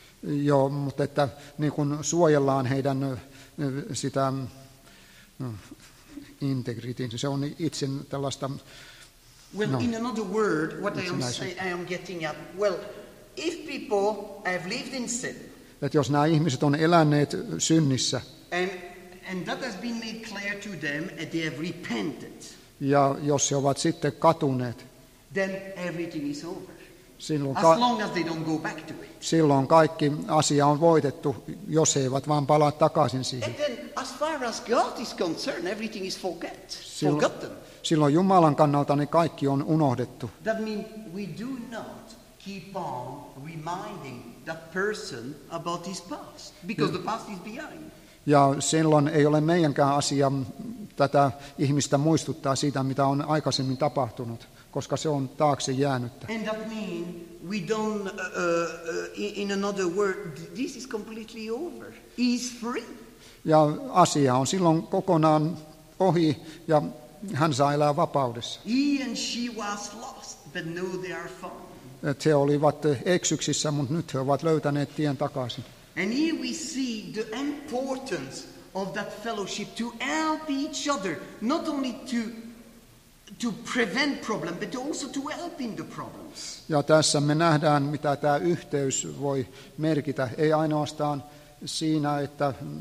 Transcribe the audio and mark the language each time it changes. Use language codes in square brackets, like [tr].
[fi] Joo, mutta että niin kun suojellaan heidän sitä integrityn, se on itse tällaista. [en] Well, no, in another word, what I am getting at, well, if people have lived in sin. [fi] Että jos nämä ihmiset on eläneet synnissä. [en] And that has been made clear to them, and they have repented. [fi] Ja jos he ovat sitten katuneet. [en] Then everything is over. [fi] Silloin [en] as long as they don't go back to it. [fi] Silloin kaikki asia on voitettu, jos he eivät vaan palaa takaisin siihen. [en] And then, as far as God is concerned, everything is forgotten. [fi] Silloin Jumalan kannalta ne kaikki on unohdettu. [en] That means we do not keep on reminding that person about his past, because the past is behind. [fi] Ja silloin ei ole meidänkään asia tätä ihmistä muistuttaa siitä, mitä on aikaisemmin tapahtunut, koska se on taakse jäänyttä. [en] And that means we don't, in another word, this is completely over. He's free. [fi] Ja asia on silloin kokonaan ohi ja hän saa elää vapaudessa. [en] He and she was lost, but now they are found. [fi] He olivat eksyksissä, mutta nyt he ovat löytäneet tien takaisin. [en] And here we see the importance of that fellowship to help each other, not only to prevent problems, but also to help in the problems. [fi] Ja tässä me nähdään, mitä tämä yhteys voi merkitä. Ei ainoastaan siinä, että